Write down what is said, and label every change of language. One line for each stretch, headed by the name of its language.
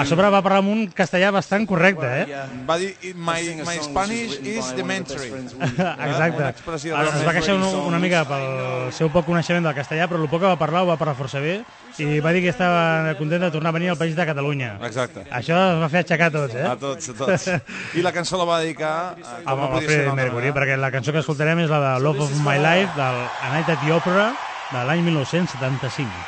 Catalan: A sobre va parlar amb un castellà bastant correcte, eh? Va dir,
English: my Spanish is dementory.
Catalan: Exacte. Es va queixar una mica pel seu poc coneixement del castellà, però el poc que va parlar ho va parlar força bé i va dir que estava content de tornar a venir al país de Catalunya. Exacte. Això es va fer aixecar a tots, eh? A tots. I la cançó la va dedicar... a Freddie Mercury, perquè la cançó que escoltarem és la de Love of My Life, del A Night at the Opera, de l'any 1975.